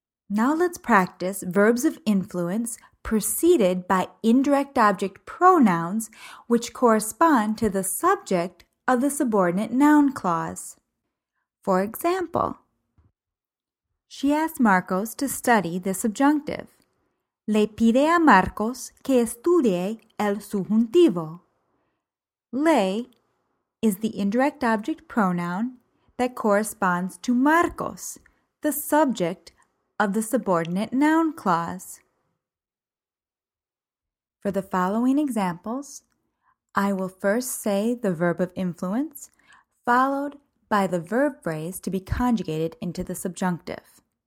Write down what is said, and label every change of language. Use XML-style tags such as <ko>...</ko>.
<en>Now let's practice verbs of influence preceded by indirect object pronouns which correspond to the subject of the subordinate noun clause. For example, she asked Marcos to study the subjunctive.</en> <es>Le pide a Marcos que estudie el subjuntivo.</es> <en>Le is the indirect object pronoun that corresponds to Marcos, the subject of the subordinate noun clause. For the following examples, I will first say the verb of influence, followed by the verb phrase to be conjugated into the subjunctive.</en>